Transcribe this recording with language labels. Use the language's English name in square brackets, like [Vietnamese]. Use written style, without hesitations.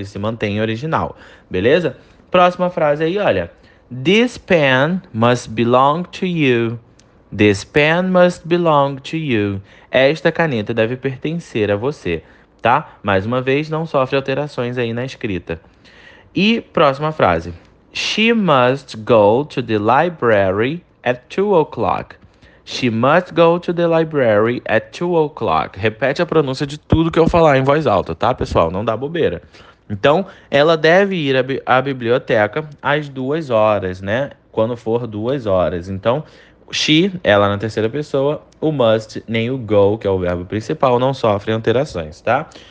[Portuguese] Ele se mantém original, beleza? Próxima frase aí, olha. [English] This pen must belong to you. This pen must belong to you. [Portuguese] Esta caneta deve pertencer a você, tá? Mais uma vez, não sofre alterações aí na escrita. E próxima frase. [English] She must go to the library at 2 o'clock. She must go to the library at 2 o'clock. [Portuguese] Repete a pronúncia de tudo que eu falar em voz alta, tá, pessoal? Não dá bobeira. Então, ela deve ir à biblioteca às 2 horas, né? Quando for 2 horas. Então, she, ela na terceira pessoa, o must, nem o go, que é o verbo principal, não sofrem alterações, tá?